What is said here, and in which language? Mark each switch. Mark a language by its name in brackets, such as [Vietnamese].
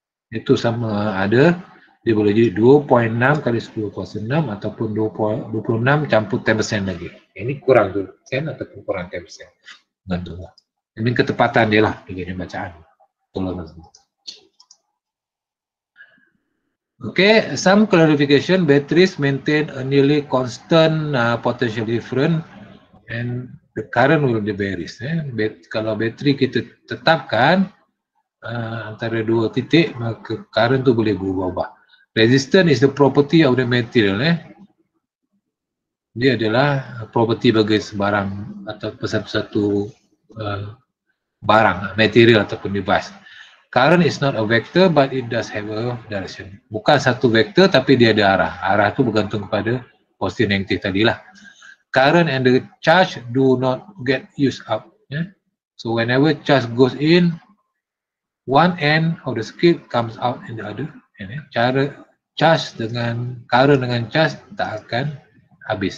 [Malay] Itu sama ada, dia boleh jadi 2.6 kali 10 kuasa 6 ataupun 2.26 campur 10% lagi. Ini kurang 10% ataupun kurang 10%. Tentulah. Ini ketepatan dia lah dengan bacaan. [English] Okay, some clarification, batteries maintain a nearly constant potential difference and the current will be varies. [Malay] Kalau bateri kita tetapkan antara dua titik, maka current tu boleh berubah-ubah. [English] Resistance is the property of the material. [Malay] Dia adalah property bagi sebarang atau satu-satu barang, material ataupun device. [English] Current is not a vector but it does have a direction. [Malay] Bukan satu vector tapi dia ada arah. Arah tu bergantung kepada positif negatif tadilah. [English] Current and the charge do not get used up. Yeah? So whenever charge goes in, one end of the circuit comes out in the other. And, yeah? [Malay] Charge dengan current dengan charge tak akan habis.